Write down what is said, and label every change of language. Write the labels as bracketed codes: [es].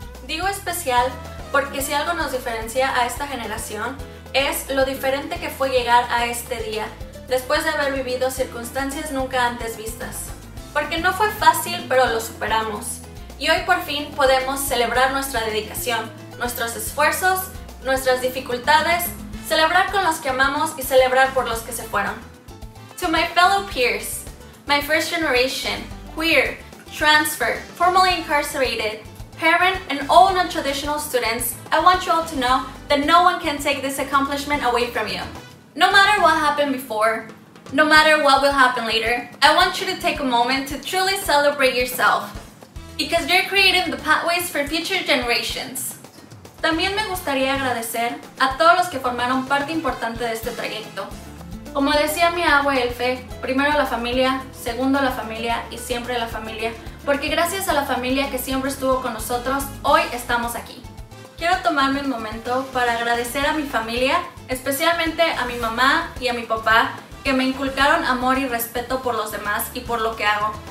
[es] Digo especial porque si algo nos diferencia a esta generación es lo diferente que fue llegar a este día después de haber vivido circunstancias nunca antes vistas. Porque no fue fácil, pero lo superamos. Y hoy por fin podemos celebrar nuestra dedicación, nuestros esfuerzos, nuestras dificultades, celebrar con los que amamos y celebrar por los que se fueron. [en] To my fellow peers, my first generation, queer, transfer, formerly incarcerated, parent, and all non-traditional students, I want you all to know that no one can take this accomplishment away from you. No matter what happened before, no matter what will happen later, I want you to take a moment to truly celebrate yourself, because you're creating the pathways for future generations. [es] También me gustaría agradecer a todos los que formaron parte importante de este trayecto. Como decía mi abue Elfe, primero la familia, segundo la familia y siempre la familia, porque gracias a la familia que siempre estuvo con nosotros, hoy estamos aquí. Quiero tomarme un momento para agradecer a mi familia, especialmente a mi mamá y a mi papá, que me inculcaron amor y respeto por los demás y por lo que hago.